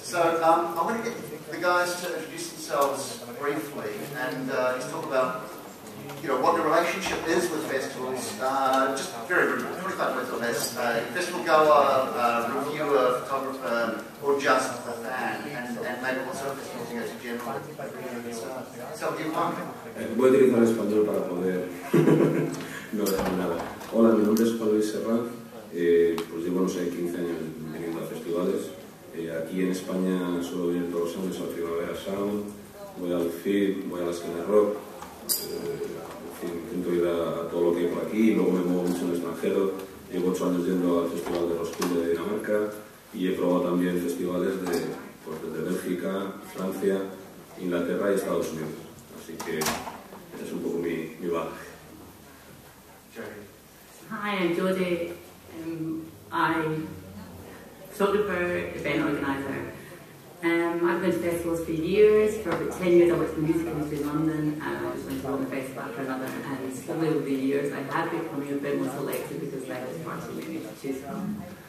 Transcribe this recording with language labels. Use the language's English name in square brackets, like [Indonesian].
[English] So I want to get the guys to introduce themselves briefly and just talk about, you know, what the relationship is with festivals, just very briefly, 25 words or less. Festival goer, reviewer, photographer, or just a fan, and maybe what sort of festivals you go to generally. So, do you want? [Spanish] Voy a utilizar el español para poder no dejar nada. Hola, mi nombre es Juan Luis Serrat. Pues llevo, no sé, 15 años viniendo a festivales. Aquí en España solo vienen todos los años al Primavera Sound. Voy al FIB, voy a la Esquina Rock. En fin, intento ir a todo lo que hay por aquí. Luego me muevo mucho en el extranjero. Llevo 8 años yendo al Festival de Roskilde de Dinamarca. Y he probado también festivales de, pues, desde Bélgica, Francia, Inglaterra y Estados Unidos. Así que ese es un poco mi bagaje. [English] Hi, I'm Jordi. I'm a photographer, event organizer. I've been to festivals for years, for over 10 years. I worked in the music industry in London, and I just went to one festival after another. And slowly over the years, I have become a bit more selective because there was far too many to choose from.